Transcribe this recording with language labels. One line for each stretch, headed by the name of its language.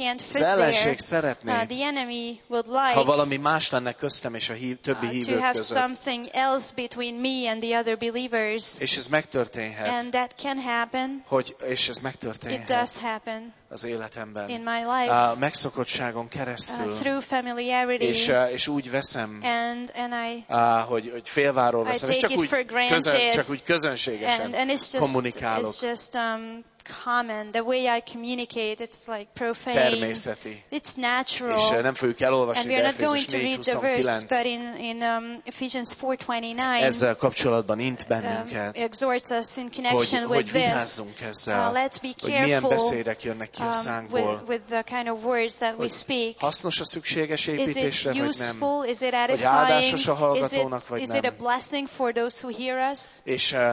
Hungarian: Az ellenség szeretné, ha valami más lenne köztem és a többi hívők
English: to have
Hungarian: között.
English: Something else between me and the other believers.
Hungarian: És ez megtörténhet.
English: And that can happen.
Hungarian: Hogy és ez megtörténhet.
English: It does happen.
Hungarian: Az életemben.
English: In my life.
Hungarian: A megszokottságon keresztül.
English: Through familiarity.
Hungarian: És úgy veszem.
English: And I.
Hungarian: Hogy félváról veszem.
English: I take
Hungarian: csak
English: it
Hungarian: úgy közönségesen kommunikálok.
English: It's just common. The way I communicate, it's like profane.
Hungarian: Természeti.
English: It's natural.
Hungarian: És nem fogjuk elolvasni,
English: and we are not going to read the verse,
Hungarian: 29.
English: But in Ephesians 4:29,
Hungarian: ezzel kapcsolatban int bennünket,
English: exhorts us in connection with this.
Hungarian: Ezzel,
English: let's be careful.
Hungarian: Hogy milyen beszédek jönnek ki a szánkból.
English: With the kind of words that we speak.
Hungarian: Hasznos a szükséges építésre, vagy nem?
English: Is it useful? Is it edifying?
Hungarian: Vagy áldásos a hallgatónak, vagy nem?
English: Is it a blessing for those who hear us?